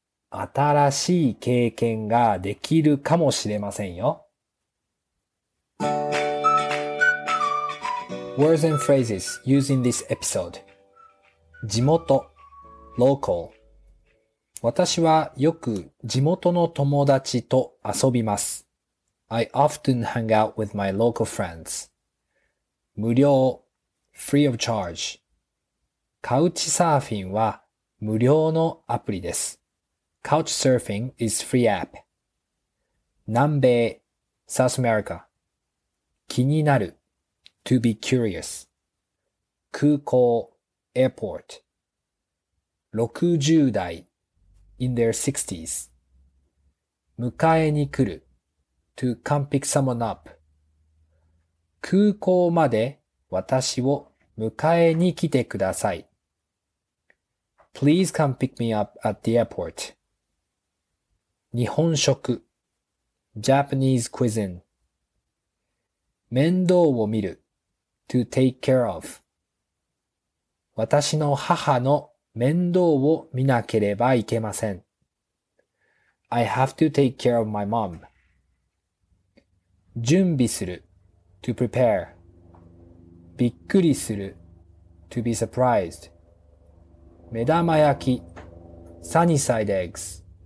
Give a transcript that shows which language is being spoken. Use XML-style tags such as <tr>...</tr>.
<ja>新しい経験ができるかもしれませんよ。</ja> <en>Words and phrases using this episode. 地元 local.</en> <ja>私はよく地元の友達と遊びます。</ja> <en>I often hang out with my local friends. 無料 free of charge.</en> <ja>カウチサーフィンは無料のアプリです。</ja> <en>Couchsurfing is free app. 南米 South America.</en> <ja>気になる</ja> <en>to be curious. 空港 airport. 60代 in their 60s.</en> <ja>迎えに来る</ja> <en>to come pick someone up.</en> <ja>空港まで私を迎えに来てください。</ja> <en>Please come pick me up at the airport. 日本食 Japanese cuisine.</en> <ja>面倒を見る</ja> <en>to take care of.</en> <ja>私の母の面倒を見なければいけません。</ja> <en>I have to take care of my mom. 準備する、 to prepare. びっくりする、 to be surprised. 目玉焼き、 sunny side eggs.</en>